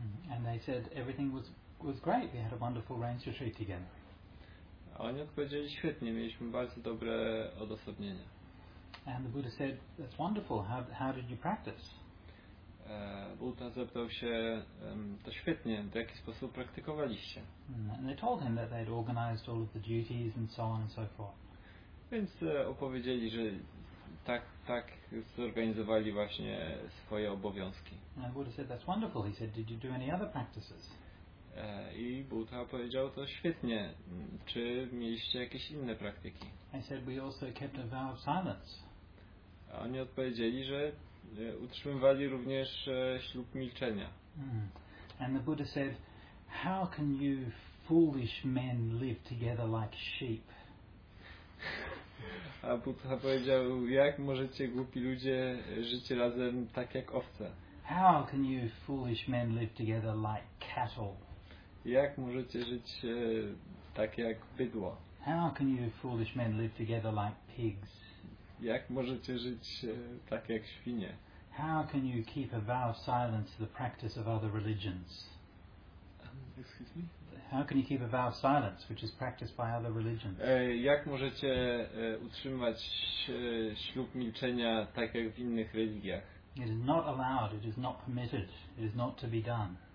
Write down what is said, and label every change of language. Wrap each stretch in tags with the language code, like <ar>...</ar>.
<en>And they said, "Everything was great. We had a wonderful rains retreat again."</en> <pl>A oni odpowiedzieli, świetnie, mieliśmy bardzo dobre odosobnienie.</pl> <en>And the Buddha said, "That's wonderful. How did you practice?"</en> <pl>Buddha zapytał się, to świetnie, w jaki sposób praktykowaliście?</pl> <en>And they told him that they'd organized all of the duties and so on and so forth.</en> <pl>Więc opowiedzieli, że tak zorganizowali właśnie swoje obowiązki.</pl> <en>And Buddha said, "That's wonderful." He said, "Did you do any other practices?"</en> <pl>I Buddha powiedział, to świetnie. Czy mieliście jakieś inne praktyki?</pl> <en>I said, "We also kept a vow of silence."</en> <pl>A oni odpowiedzieli, że utrzymywali również ślub milczenia. Mm.</pl> <en>And the Buddha said, "How can you foolish men live together like sheep?"</en> <pl>A Buddha powiedział, jak możecie głupi ludzie żyć razem tak jak owce?</pl> <en>"How can you foolish men live together like cattle?"</en> <pl>Jak możecie żyć tak jak bydło?</pl> <en>"How can you foolish men live together like pigs?"</en> <pl>Jak możecie żyć tak jak świnie?</pl> <en>"How can you keep a vow of silence to the practice of other religions?" Excuse me? "How can you keep a vow of silence which is practiced by other religions?"</en> <pl>Jak możecie utrzymywać ślub milczenia tak jak w innych religiach?</pl> <en>"It is not allowed, it is not permitted, it is not to be done."</en>